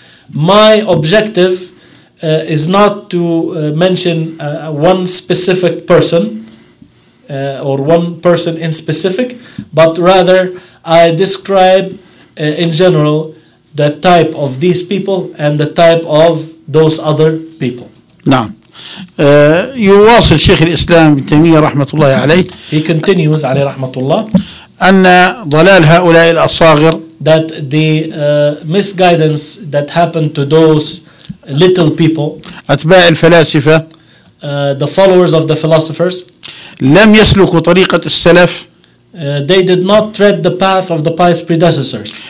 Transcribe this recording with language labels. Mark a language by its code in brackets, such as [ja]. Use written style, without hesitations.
[en] My objective is not to mention one specific person or one person in specific, but rather I describe in general the type of these people and the type of those other people. [ar] نعم. يواصل شيخ الإسلام بن تيمية رحمة الله عليه. [en] He continues [ar] عليه رحمة الله. أن ضلال هؤلاء الأصاغر. [en] That the misguidance that happened to those little people. [ar] أتباع الفلاسفة. [en] The followers of the philosophers. [ar] لم يسلكوا طريقة السلف. [en] They did not tread the path of the pious predecessors.